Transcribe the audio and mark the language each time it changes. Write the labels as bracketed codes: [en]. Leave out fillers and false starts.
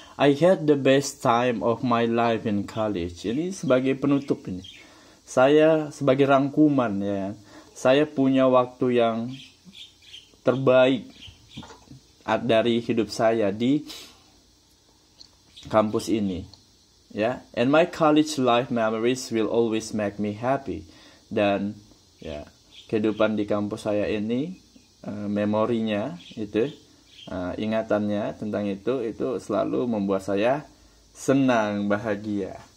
[en] I had the best time of my life in college. [id] Ini sebagai penutup ini. Saya sebagai rangkuman ya. Saya punya waktu yang terbaik dari hidup saya di kampus ini, ya. [en] Yeah. And my college life memories will always make me happy. [id] Dan, ya, yeah, kehidupan di kampus saya ini, memorinya itu, ingatannya tentang itu selalu membuat saya senang, bahagia.